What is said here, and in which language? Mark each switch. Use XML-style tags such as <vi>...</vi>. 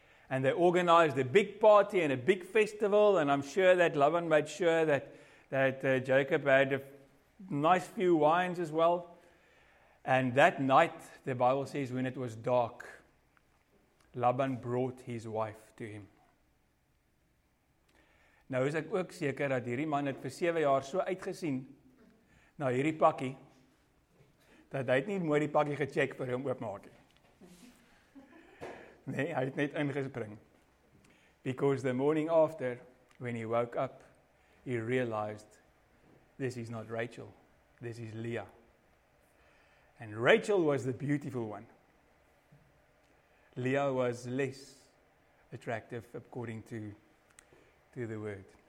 <en>And they organized a big party and a big festival, and I'm sure that Laban made sure that Jacob had a nice few wines as well. And that night, the Bible says, when it was dark, Laban brought his wife to him.</en> <af>Nou is ek ook seker dat hierdie man het vir 7 jaar so uitgesien na hierdie pakkie, dat hy het nie mooi die pakkie gecheck vir hom oopmaak. Nee, hy het net ingespring.</af> <en>Because the morning after, when he woke up, he realized, this is not Rachel, this is Leah. And Rachel was the beautiful one. Leah was less attractive according to the word.</en>